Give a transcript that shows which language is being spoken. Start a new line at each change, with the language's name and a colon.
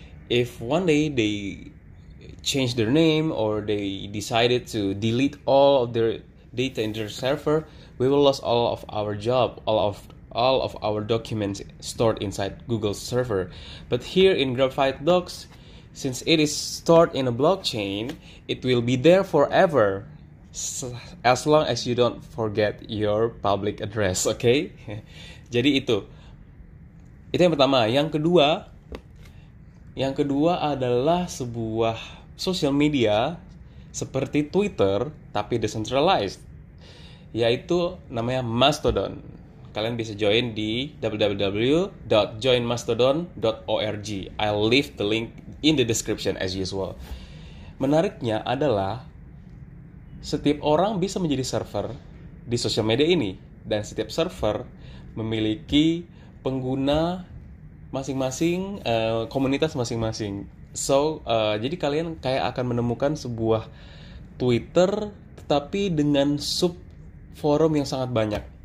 English: If one day they change their name or they decided to delete all of their data in their server, we will lose all of our job, all of our documents stored inside Google's server. But here in Graphite Docs, since it is stored in a blockchain, it will be there forever. As long as you don't forget your public address, okay?
Indonesian: Jadi itu yang pertama. Yang kedua adalah sebuah social media seperti Twitter tapi decentralized, yaitu namanya Mastodon. Kalian bisa join di www.joinmastodon.org.
English: I'll leave the link in the description as usual.
Indonesian: Menariknya adalah setiap orang bisa menjadi server di sosial media ini, dan setiap server memiliki pengguna masing-masing, komunitas masing-masing. So, jadi kalian kayak akan menemukan sebuah Twitter tetapi dengan sub forum yang sangat banyak.